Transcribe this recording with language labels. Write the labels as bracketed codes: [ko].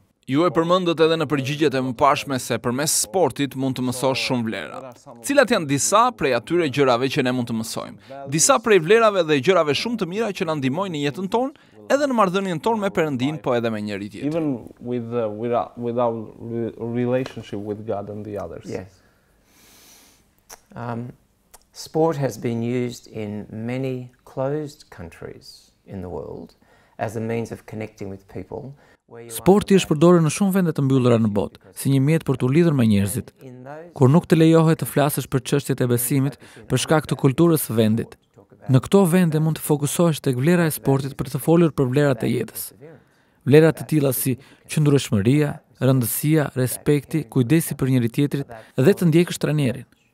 [sq] ju e përmendët edhe në përgjigjet e mëparshme se përmes sportit mund të mësosh shumë vlera. Cilat janë disa prej atyre gjërave që ne mund të mësojmë? Disa prej vlerave dhe gjërave shumë të mira që na ndihmojnë në jetën tonë, edhe në marrëdhënien tonë me Perëndin, po edhe me njëri tjetrin. [en] Even with our relationship with God and the others. Yes. Sport has been used in many closed countries in the world as a means of connecting with people. [sq] Sporti është përdorur në shumë vende të mbyllura në botë, si një mjet për t'u lidhur me njerëzit. Kur nuk të lejohet të flasësh për çështjet e besimit për shkak të kulturës së vendit, në këto vende mund të fokusohesh tek vlera e sportit për të folur për vlerat e jetës. Vlera të tilla si qëndrueshmëria, rëndësia, respekti, kujdesi për njëri-tjetrin dhe të ndjekësh trajnerin.